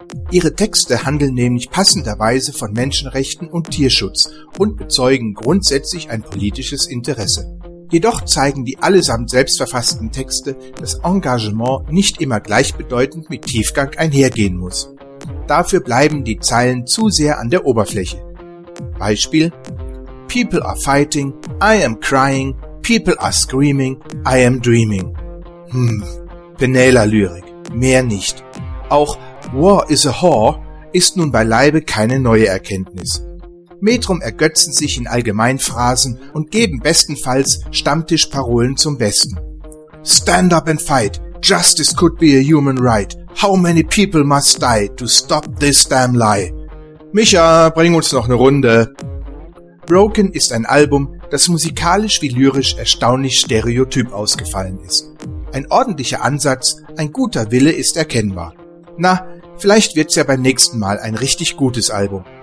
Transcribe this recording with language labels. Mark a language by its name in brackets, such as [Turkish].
[German] Ihre Texte handeln nämlich passenderweise von Menschenrechten und Tierschutz und bezeugen grundsätzlich ein politisches Interesse. Jedoch zeigen die allesamt selbstverfassten Texte, dass Engagement nicht immer gleichbedeutend mit Tiefgang einhergehen muss. Dafür bleiben die Zeilen zu sehr an der Oberfläche. [English] Beispiel: People are fighting, I am crying, people are screaming, I am dreaming. [German] Penela-Lyrik, mehr nicht. Auch War is a Whore ist nun beileibe keine neue Erkenntnis. Metrum ergötzen sich in Allgemeinphrasen und geben bestenfalls Stammtischparolen zum Besten. [English] Stand up and fight, justice could be a human right. How many people must die to stop this damn lie? [German] Micha, bring uns noch eine Runde. Broken ist ein Album, das musikalisch wie lyrisch erstaunlich stereotyp ausgefallen ist. Ein ordentlicher Ansatz, ein guter Wille ist erkennbar. Na, vielleicht wird's ja beim nächsten Mal ein richtig gutes Album.